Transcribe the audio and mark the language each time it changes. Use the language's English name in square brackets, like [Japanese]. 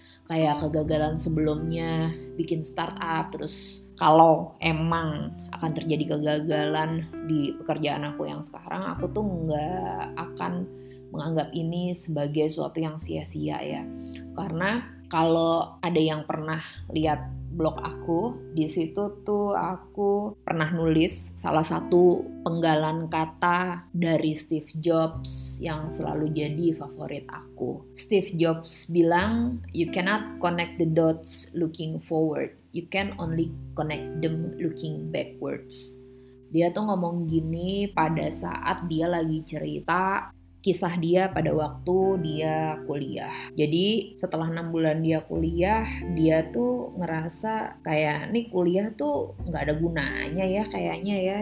[Indonesian] Kayak kegagalan sebelumnya bikin startup, terus kalau emang akan terjadi kegagalan di pekerjaan aku yang sekarang, aku tuh nggak akan menganggap ini sebagai suatu yang sia-sia ya. Karena kalau ada yang pernah lihat blog aku, di situ tuh aku pernah nulis salah satu penggalan kata dari Steve Jobs yang selalu jadi favorit aku. [English] Steve Jobs [Indonesian] bilang, [English] "You cannot connect the dots looking forward. You can only connect them looking backwards." [Indonesian] Dia tuh ngomong gini pada saat dia lagi cerita kisah dia pada waktu dia kuliah. Jadi setelah 6 bulan dia kuliah, dia tuh ngerasa kayak nih kuliah tuh gak ada gunanya ya kayaknya ya.